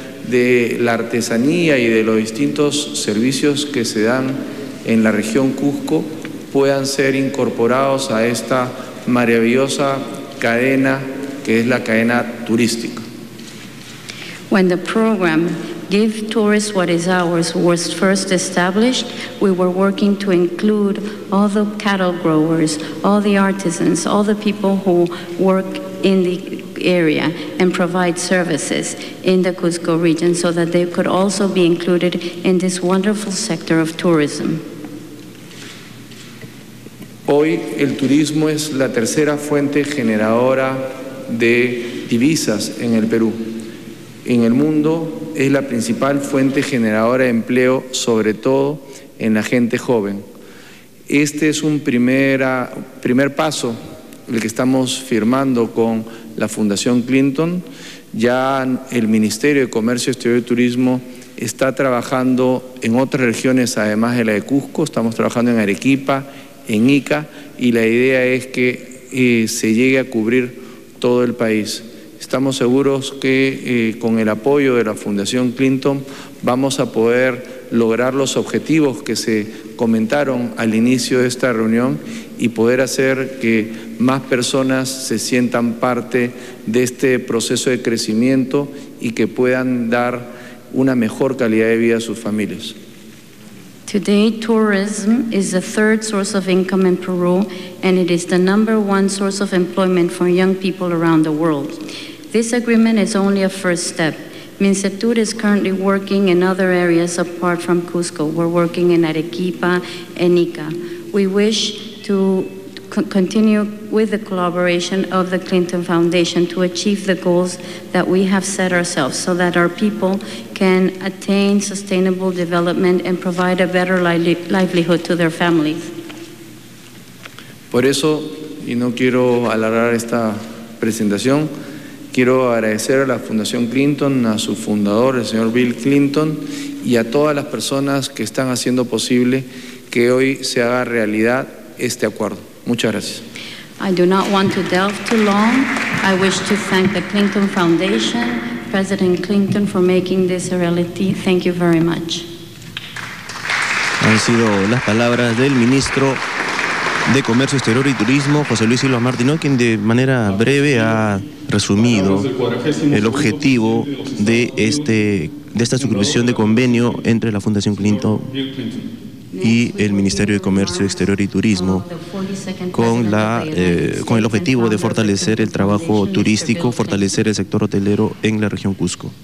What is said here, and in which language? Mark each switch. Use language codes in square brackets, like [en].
[es] de la artesanía y de los distintos servicios que se dan en la región Cusco puedan ser incorporados a esta maravillosa cadena que es la cadena turística. [en] When the program give tourists what is ours was first established, we were working to include all the cattle growers, all the artisans, all the people who work in the area and provide services in the Cusco region so that they could also be included in this wonderful sector of tourism. [es] Hoy el turismo es la tercera fuente generadora de divisas en el Perú. En el mundo es la principal fuente generadora de empleo, sobre todo en la gente joven. Este es un primer paso, el que estamos firmando con la Fundación Clinton. Ya el Ministerio de Comercio Exterior y Turismo está trabajando en otras regiones, además de la de Cusco. Estamos trabajando en Arequipa, en Ica, y la idea es que se llegue a cubrir todo el país. Estamos seguros que con el apoyo de la Fundación Clinton vamos a poder lograr los objetivos que se comentaron al inicio de esta reunión y poder hacer que más personas se sientan parte de este proceso de crecimiento y que puedan dar una mejor calidad de vida a sus familias. [en] Today, tourism is the third source of income in Peru, and it is the number one source of employment for young people around the world. This agreement is only a first step. MINCETUR is currently working in other areas apart from Cusco. We're working in Arequipa and Ica. We wish to continue with the collaboration of the Clinton Foundation to achieve the goals that we have set ourselves so that our people can attain sustainable development and provide a better livelihood to their families. [es] Por eso, y no quiero alargar esta presentación, quiero agradecer a la Fundación Clinton, a su fundador, el señor Bill Clinton, y a todas las personas que están haciendo posible que hoy se haga realidad este acuerdo. Muchas gracias. [en] I do not want to delve too long. I wish to thank the Clinton Foundation, President Clinton, for making this a reality. Thank you very much. [es] Han sido las palabras del ministro de Comercio Exterior y Turismo, José Luis Silva Martino, quien de manera breve ha resumido el objetivo de esta suscripción de convenio entre la Fundación Clinton y el Ministerio de Comercio Exterior y Turismo, con el objetivo de fortalecer el trabajo turístico, fortalecer el sector hotelero en la región Cusco.